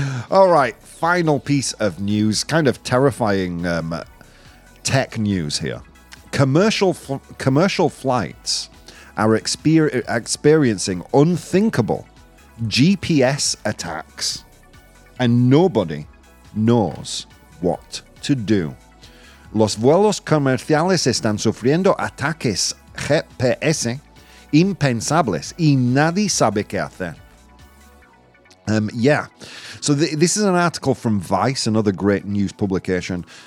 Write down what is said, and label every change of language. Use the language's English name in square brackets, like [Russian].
[English] All right, final piece of news, kind of terrifying tech news here. Commercial flights are experiencing unthinkable GPS attacks, and nobody knows what to do. [Spanish] Los vuelos comerciales están sufriendo ataques GPS impensables y nadie sabe qué hacer. [English] This is an article from Vice, another great news publication.